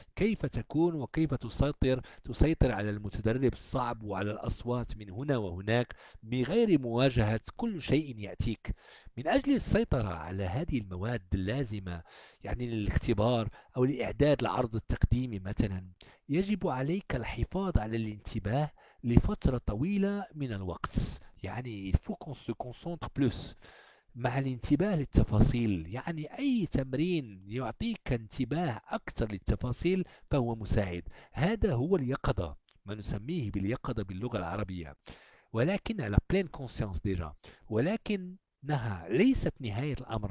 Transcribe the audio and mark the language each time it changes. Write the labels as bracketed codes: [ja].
[ar] كيف تكون وكيف تسيطر على المتدرب الصعب وعلى الأصوات من هنا وهناك بغير مواجهة كل شيء يأتيك. من أجل السيطرة على هذه المواد اللازمة يعني للاختبار أو لإعداد العرض التقديمي مثلا، يجب عليك الحفاظ على الانتباه لفترة طويلة من الوقت. [fr] يعني il faut qu'on se concentre plus. [ar] مع الانتباه للتفاصيل، يعني أي تمرين يعطيك انتباه أكثر للتفاصيل فهو مساعد. هذا هو اليقظة، ما نسميه باليقظة باللغة العربية، ولكن على بلين كونسيونس ديجا، ولكنها ليست نهاية الأمر.